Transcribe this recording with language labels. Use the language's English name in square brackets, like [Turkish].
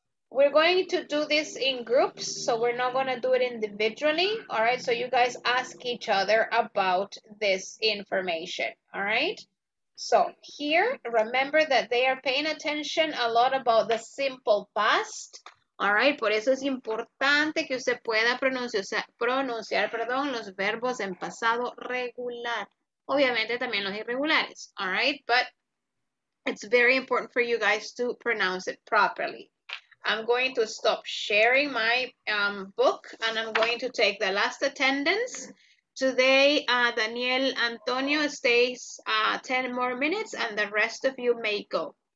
[English] We're going to do this in groups, so we're not going to do it individually, all right? So you guys ask each other about this information, all right? So here, remember that they are paying attention a lot about the simple past, all right? [Spanish] Por eso es importante que usted pueda pronunciar los verbos en pasado regular. Obviamente también los irregulares, [English] all right? But it's very important for you guys to pronounce it properly. I'm going to stop sharing my book, and I'm going to take the last attendance. Today, Daniel Antonio stays 10 more minutes, and the rest of you may go.